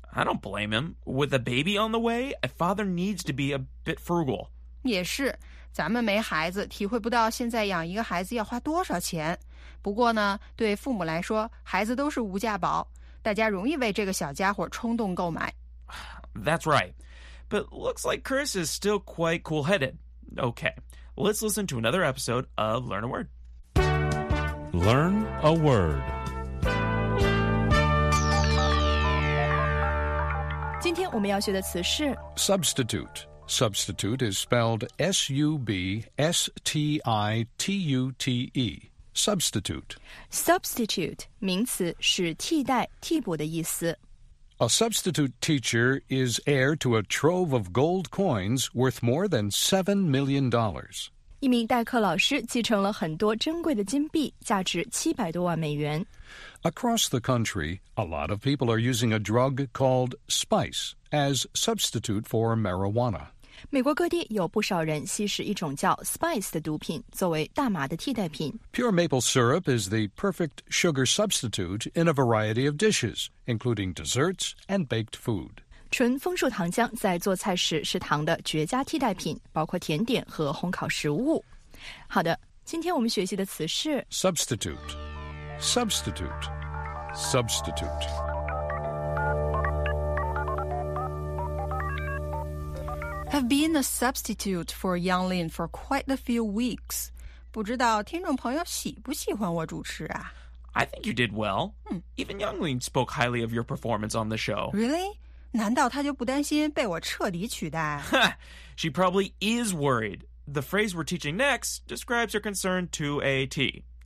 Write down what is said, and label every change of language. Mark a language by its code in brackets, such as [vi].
[en] I don't blame him. With a baby on the way, a father needs to be a bit frugal. [zh] 也是，咱们没孩子，体会不到现在养一个孩子要花多少钱。不过呢，对父母来说，孩子都是无价宝，大家容易为这个小家伙冲动购买。 [en] That's right. But looks like Chris is still quite cool-headed. Okay, let's listen to another episode of Learn a Word. Learn a word. [zh] 今天我们要学的词是 [en] substitute. Substitute is spelled S-U-B-S-T-I-T-U-T-E. Substitute. [zh] Substitute 名词是替代、替补的意思。 [en] A substitute teacher is heir to a trove of gold coins worth more than $7 million. [zh] 一名代课老师继承了很多珍贵的金币，价值700多万美元。 [en] Across the country, a lot of people are using a drug called spice as substitute for marijuana. [zh] 美国各地有不少人吸食一种叫 spice 的毒品，作为大麻的替代品。 [en] Pure maple syrup is the perfect sugar substitute in a variety of dishes, including desserts and baked food. [zh] 纯枫树糖浆在做菜时是糖的绝佳替代品，包括甜点和烘烤食物。好的，今天我们学习的词是 [en] substitute, substitute, substitute. 've been a substitute for Yang Lin for quite a few weeks. [zh] 不知道听众朋友喜不喜欢我主持啊？ [en] I think you did well. Even Yang Lin spoke highly of your performance on the show. Really? [zh] 难道他就不担心被我彻底取代？ [en] She probably is worried. The phrase we're teaching next describes her concern to a T.